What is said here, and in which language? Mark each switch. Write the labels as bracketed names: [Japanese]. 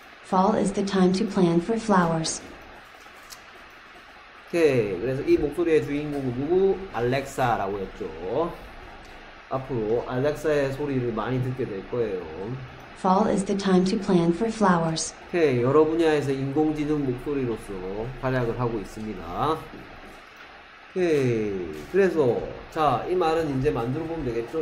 [English] Fall is the time to plan for flowers. [Korean] 오케이. 그래서 이 목소리의 주인공은 누구? 알렉사라고 했죠. 앞으로 알렉사의 소리를 많이 듣게 될 거예요. [English] Fall is the time to plan for flowers. [Korean] 오케이. 여러 분야에서 인공지능 목소리로서 활약을 하고 있습니다. 오케이. 그래서 자, 이 말은 이제 만들어 보면 되겠죠.